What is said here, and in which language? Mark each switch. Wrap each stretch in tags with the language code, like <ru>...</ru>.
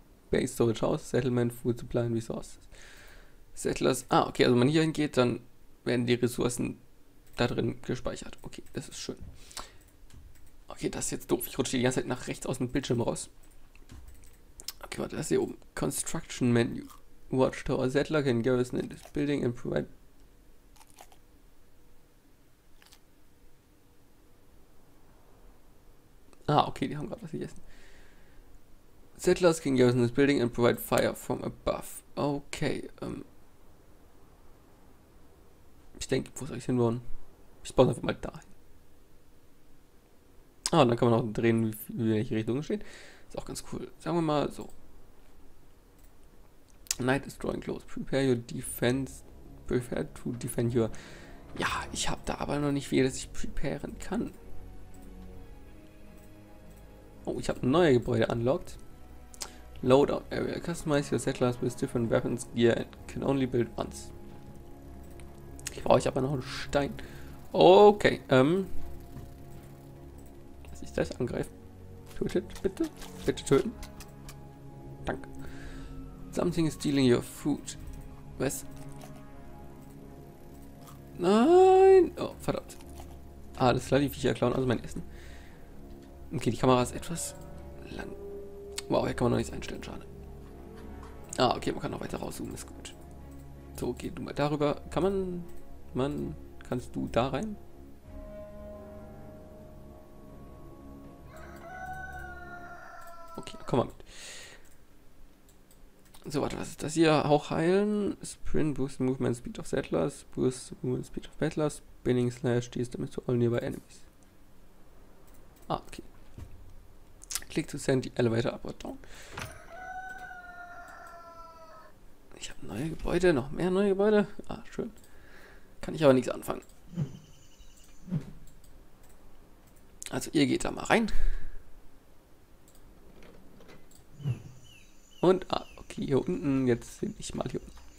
<en>Base Storage House, Settlement, Food Supply and Resources. Settlers.</en> <de>Ah, okay, also wenn man hier hingeht, dann werden die Ressourcen da drin gespeichert. Okay, das ist schön. Okay, das ist jetzt doof. Ich rutsche die ganze Zeit nach rechts aus dem Bildschirm raus. Okay, warte, das ist hier oben.</de> <en>Construction Menu. Watchtower Settler can garrison in this building and provide.</en> <de>Ah, okay, die haben gerade was gegessen.</de> <en>Settlers can garrison in this building and provide fire from above.</en> <de>Okay, ich denke, wo soll ich hinbauen? Ich baue einfach mal da. Ah, und dann kann man auch drehen, wie welche Richtung steht. Ist auch ganz cool. Sagen wir mal so.</de> <en>Night is drawing close. Prepare your defense. Prepare to defend your.</en> <de>Ja, ich habe da aber noch nicht viel, dass ich preparen kann. Oh, ich habe ein neues Gebäude unlocked.</de> <en>Loadout area. Customize your settlers with different weapons, gear and can only build once.</en> <de>Ich brauche aber noch einen Stein. Okay, dass ich das angreife. Tötet, bitte. Bitte töten. Danke.</de> <en>Something is stealing your food.</en> <de>Was? Nein! Oh, verdammt. Ah, das klar, die Viecher klauen also mein Essen. Okay, die Kamera ist etwas lang. Wow, hier kann man noch nichts einstellen, schade. Ah, okay, man kann noch weiter rauszoomen, ist gut. So, geh du mal darüber. Kann man. Mann, kannst du da rein? Okay, komm mal mit. So, warte, was ist das hier? Auch heilen.</de> <en>Sprint boost movement speed of settlers. Boost movement speed of battlers. Spinning slash deals damage to all nearby enemies. Ah, okay. Click to send the elevator up or down.</en> <de>Ich habe neue Gebäude, noch mehr neue Gebäude. Ah, schön. Kann ich aber nichts anfangen. Also ihr geht da mal rein. Und, ah, okay, hier unten, jetzt bin ich mal hier unten.</de>